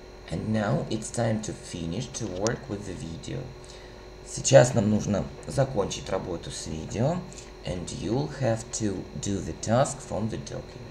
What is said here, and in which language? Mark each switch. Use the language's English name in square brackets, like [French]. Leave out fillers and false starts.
[English] And now it's time to finish to work with the video. [Russian] Сейчас нам нужно закончить работу с видео. [English] And you'll have to do the task from the document.